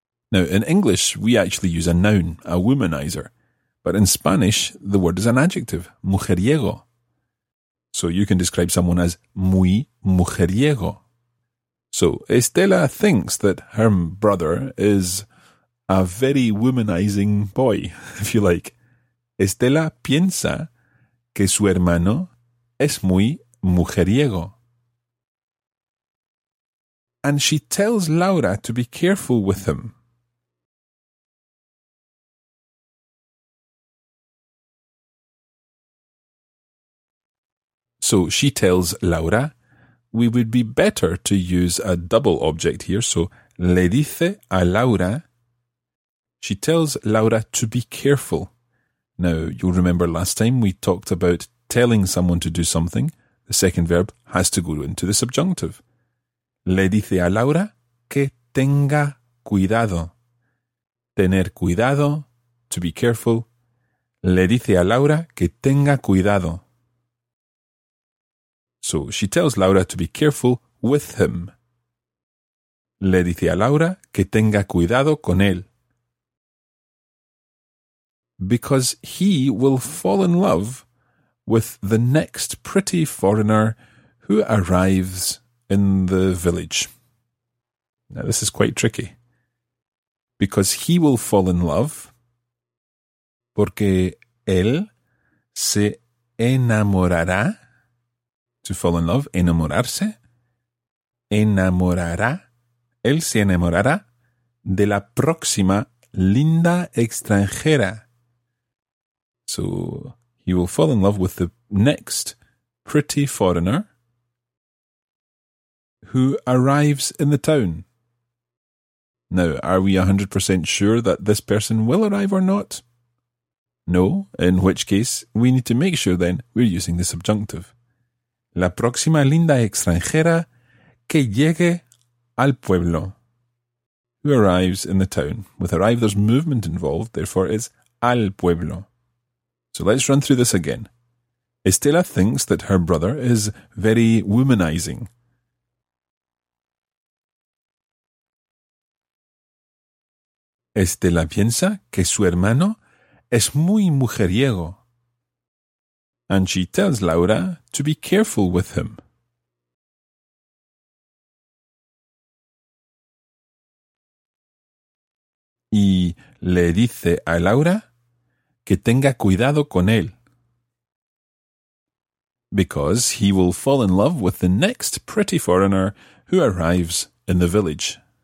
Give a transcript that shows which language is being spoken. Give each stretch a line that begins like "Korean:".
English: Now, in English, we actually use a noun, a womanizer. But in Spanish, the word is an adjective, mujeriego. So you can describe someone as
Spanish: muy mujeriego.
English: So Estela thinks that her brother is a very womanizing boy, if you like.
Spanish: Estela piensa que su hermano es muy mujeriego.
English: and she tells Laura to be careful with him. So she tells Laura, we would be better to use a double object here. So
Spanish: le dice a Laura,
English: she tells Laura to be careful. Now, you'll remember last time we talked about telling someone to do something. The second verb has to go into the subjunctive.
Spanish: Le dice a Laura que tenga cuidado. Tener cuidado,
English: to be careful.
Spanish: Le dice a Laura que tenga cuidado.
English: So she tells Laura to be careful with him.
Spanish: Le dice a Laura que tenga cuidado con él.
English: Because he will fall in love with the next pretty foreigner who arrives in the village. Now, this is quite tricky. Because he will fall in love.
Spanish: Porque él se enamorará.
English: To fall in love, enamorarse. Enamorará.
Spanish: Él se enamorará de la próxima linda extranjera.
English: So, he will fall in love with the next pretty foreigner who arrives in the town. Now, are we 100% sure that this person will arrive or not? No, in which case, we need to make sure then we're using the subjunctive.
Spanish: La próxima linda extranjera que llegue al pueblo.
English: Who arrives in the town. With arrive, there's movement involved, therefore it's al pueblo. So let's run through this again. Estela thinks that her brother is very womanizing.
Spanish: Estela piensa que su hermano es muy mujeriego.
English: And she tells Laura to be careful with him.
Spanish: Y le dice a Laura que tenga cuidado con él.
English: Because he will fall in love with the next pretty foreigner who arrives in the village.